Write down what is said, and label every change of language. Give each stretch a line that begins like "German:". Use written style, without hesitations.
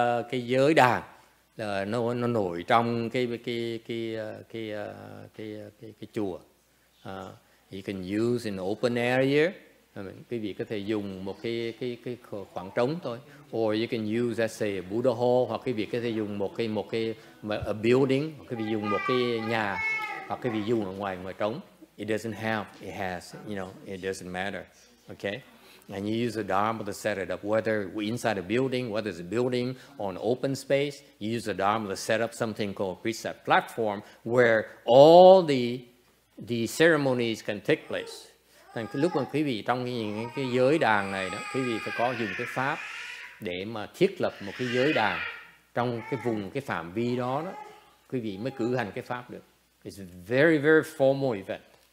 Vietnamese: Cái giới đàn nó nổi trong cái chùa.
English: You can use an open area.
Vietnamese: Quý vị có thể dùng một cái khoảng trống thôi.
English: Or you can use, let's say, a Buddha hall.
Vietnamese: Hoặc quý vị có thể dùng một cái building. Hoặc quý vị dùng một cái nhà. Hoặc quý vị dùng ở ngoài trống.
English: It doesn't have, it has, you know, it doesn't matter. Okay? And you use the Dharma to set it up. Whether inside a building, whether it's a building or an open space, you use the Dharma to set up something called a precept platform where all the ceremonies can take place.
Vietnamese: Thành cái lúc mà quý vị trong cái giới đàn này đó, quý vị phải có dùng cái pháp để mà thiết lập một cái giới đàn trong cái vùng, cái phạm vi đó đó, quý vị mới cử hành cái pháp được.
English: It's a very very formal event.